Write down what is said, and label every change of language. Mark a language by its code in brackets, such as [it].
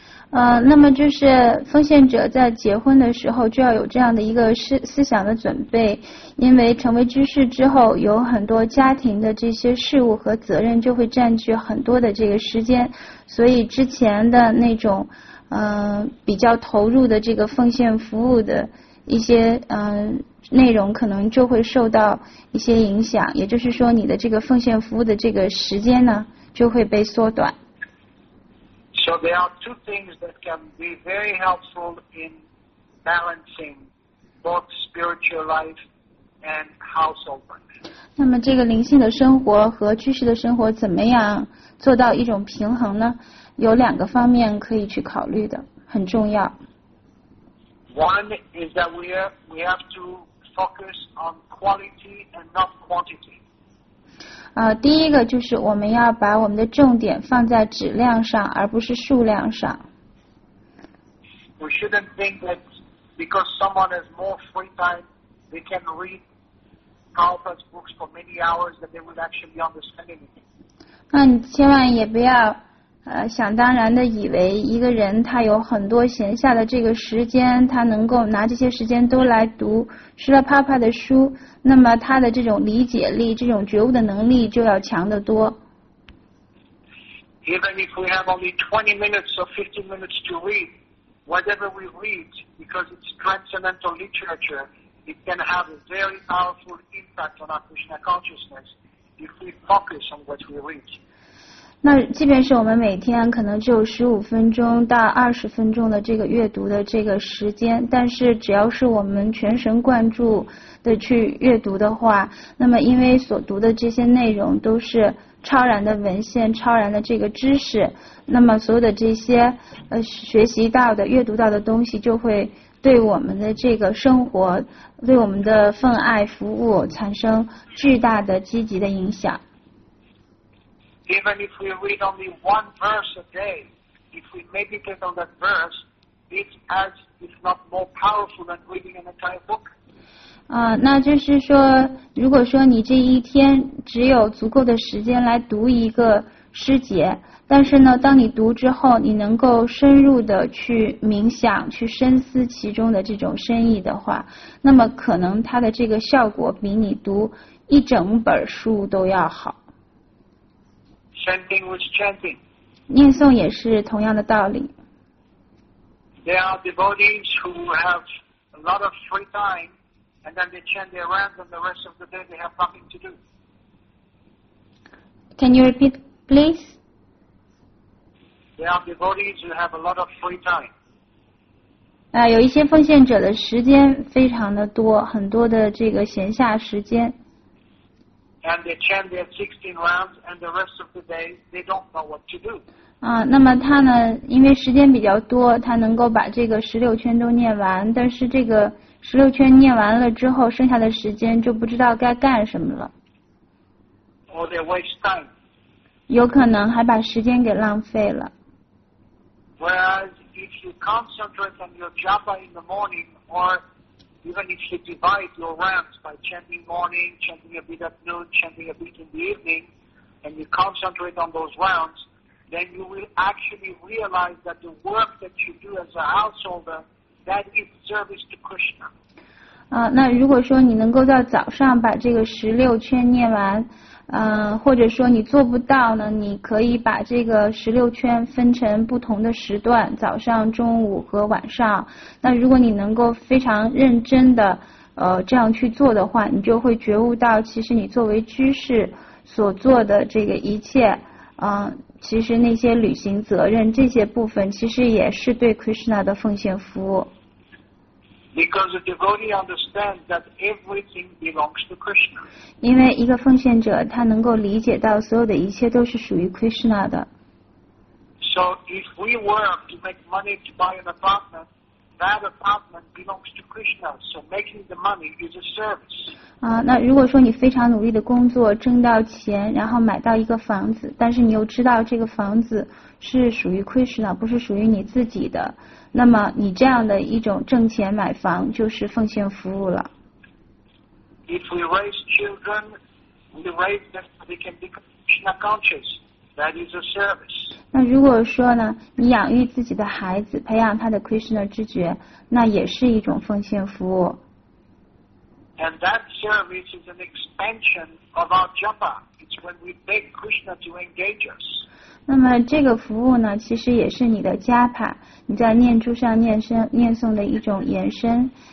[zh] 那么就是奉献者在结婚的时候就要有这样的一个思想的准备，因为成为居士之后有很多家庭的这些事务和责任就会占据很多的这个时间，所以之前的那种比较投入的这个奉献服务的一些内容可能就会受到一些影响，也就是说你的这个奉献服务的这个时间呢就会被缩短。 [en] So there are two things that can be very helpful in balancing both spiritual life and household life. [zh] 那么这个灵性的生活和居士的生活怎么样做到一种平衡呢？有两个方面可以去考虑的，很重要。 [en] One is that we have to focus on quality and not quantity. [zh] 第一个就是我们要把我们的重点放在质量上，而不是数量上。 [en] We shouldn't think that because someone has more free time, they can read Prabhupada's books for many hours that they would actually understand anything. [zh] 那你千万也不要。想当然的以为一个人他有很多闲下的这个时间，他能够拿这些时间都来读释迦帕帕的书，那么他的这种理解力、这种觉悟的能力就要强得多。 [en] Even if we have only 20 minutes or 50 minutes to read, whatever we read, because it's transcendental literature, it can have a very powerful impact on our Krishna consciousness if we focus on what we read. [zh] 那即便是我们每天可能只有15分钟到20分钟的这个阅读的这个时间，但是只要是我们全神贯注的去阅读的话，那么因为所读的这些内容都是超然的文献、超然的这个知识，那么所有的这些学习到的、阅读到的东西就会对我们的这个生活、对我们的奉爱服务产生巨大的积极的影响。 [en] Even if we read only one verse a day, if we meditate on that verse, it's as if not more powerful than reading an entire book. [zh] 那就是说，如果说你这一天只有足够的时间来读一个诗节，但是呢，当你读之后，你能够深入的去冥想、去深思其中的这种深意的话，那么可能它的这个效果比你读一整本书都要好。 [en] Same thing with chanting. [zh] 念诵也是同样的道理。 [en] There are devotees who have a lot of free time, and then they chant their rounds, and the rest of the day they have nothing to do. Can you repeat, please? There are devotees who have a lot of free time. [zh] 有一些奉献者的时间非常的多，很多的这个闲暇时间。 [en] And they chant their 16 rounds, and the rest of the day they don't know what to do. [zh] 那么他呢？因为时间比较多，他能够把这个16圈都念完，但是这个16圈念完了之后，剩下的时间就不知道该干什么了。 [en] Or they waste time. [zh] 有可能还把时间给浪费了。 [en] Whereas if you concentrate on your japa in the morning, or even if you divide your rounds by chanting morning, chanting a bit at noon, chanting a bit in the evening, and you concentrate on those rounds, then you will actually realize that the work that you do as a householder, that is service to Krishna. [zh] 那如果说你能够在早上把这个十六圈念完，或者说你做不到呢，你可以把这个16圈分成不同的时段，早上、中午和晚上。那如果你能够非常认真的这样去做的话，你就会觉悟到，其实你作为居士所做的这个一切，其实那些履行责任这些部分，其实也是对 Krishna 的奉献服务。 [en] Because a devotee understands that everything belongs to Krishna. [zh] 因为一个奉献者，他能够理解到所有的一切都是属于 Krishna 的。 [en] So if we work to make money to buy an apartment, that apartment belongs to Krishna. So making the money is a service. [zh] 那如果说你非常努力的工作，挣到钱，然后买到一个房子，但是你又知道这个房子是属于 Krishna， 不是属于你自己的。那么你这样的一种挣钱买房就是奉献服务了。 [en] If we raise children, we raise them so they can be Krishna conscious. That is a service. [zh] 那如果说呢，你养育自己的孩子，培养他的 Krishna 知觉，那也是一种奉献服务。 [en] And that service is an expansion of our japa. It's when we beg Krishna to engage us. [zh] 那么这个服务呢，其实也是你的加帕，你在念珠上念声念诵的一种延伸。